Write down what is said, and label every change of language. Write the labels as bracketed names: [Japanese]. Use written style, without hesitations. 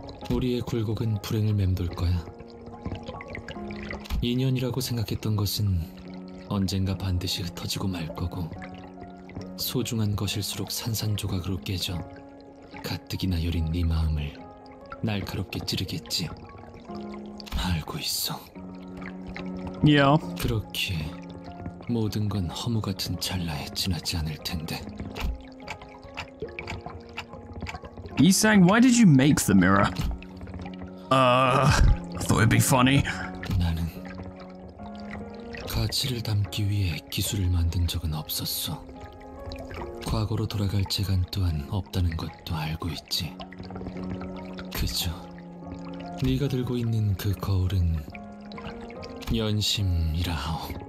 [Korean] 우리의 굴곡은 불행을 맴돌 거야. 인연이라고 생각했던 것은 언젠가 반드시 흩어지고 말 거고 소중한 것일수록 산산조각으로 깨져 가뜩이나 여린 네 마음을 날카롭게 찌르겠지. 알고 있어. [English] Yeah. [Korean] 그렇게 모든 건 허무 같은 찰나에 지나지 않을 텐데. [English] He's saying, why did you make the mirror? I thought it'd be funny. [Korean] 나는 가치를 담기 위해 기술을 만든 적은 없었어. 과거로 돌아갈 재간 또한 없다는 것도 알고 있지. 그저 네가 들고 있는 그 거울은 연심이라 하오.